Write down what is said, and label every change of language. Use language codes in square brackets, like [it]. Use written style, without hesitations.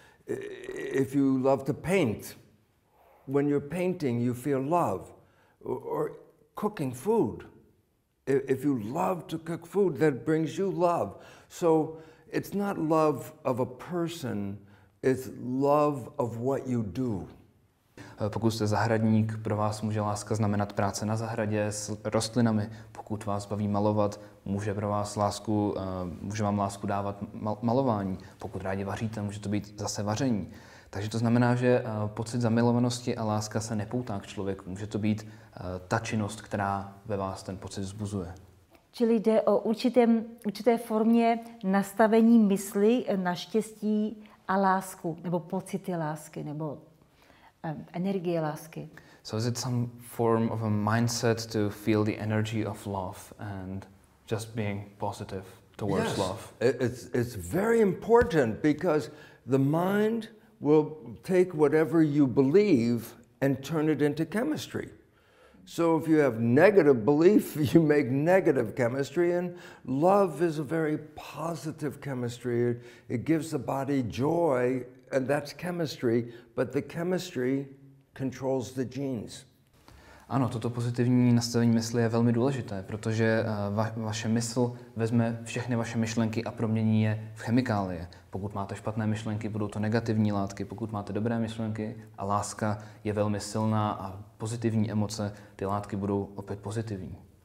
[en] If you love to paint, when you're painting, you feel love. Or cooking food. If you love to cook food, that brings you love. So it's not love of a person, it's love of what you do. [cs] Pokud jste zahradník, pro vás může láska znamenat práce na zahradě s rostlinami. Pokud vás baví malovat, může pro vás lásku, může vám lásku dávat malování. Pokud rádi vaříte, může to být zase vaření. Takže to znamená, že pocit zamilovanosti a láska se nepoutá k člověku. Může to být ta činnost, která ve vás ten pocit vzbuzuje. Čili jde o určité formě nastavení mysli na štěstí a lásku, nebo pocity lásky, nebo energie lásky. [en] So is it some form of a mindset to feel the energy of love and just being positive towards love? It's very important because the mind will take whatever you believe and turn it into chemistry. So if you have negative belief, you make negative chemistry, and love is a very positive chemistry. It gives the body joy, and that's chemistry, but the chemistry controls the genes. [cs] Ano, toto pozitivní nastavení mysli je velmi důležité, protože vaše mysl vezme všechny vaše myšlenky a promění je v chemikálie. Pokud máte špatné myšlenky, budou to negativní látky. Pokud máte dobré myšlenky a láska je velmi silná a pozitivní emoce, ty látky budou opět pozitivní.